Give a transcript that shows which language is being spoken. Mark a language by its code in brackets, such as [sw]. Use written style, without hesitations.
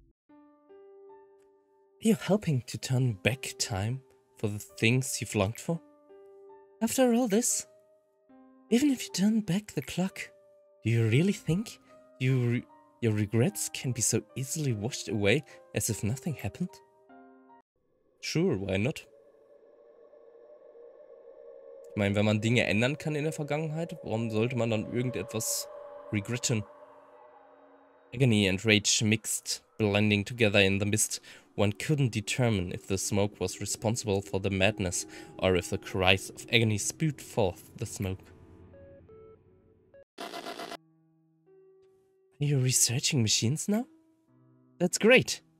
[en] Are you helping to turn back time for the things you've longed for? After all this, even if you turn back the clock, do you really think your regrets can be so easily washed away as if nothing happened? Sure, why not? [de] Ich meine, wenn man Dinge ändern kann in der Vergangenheit, warum sollte man dann irgendetwas regretten? [en] Agony and rage mixed, blending together in the mist. One couldn't determine if the smoke was responsible for the madness or if the cries of agony spewed forth the smoke. Are you researching machines now? That's great.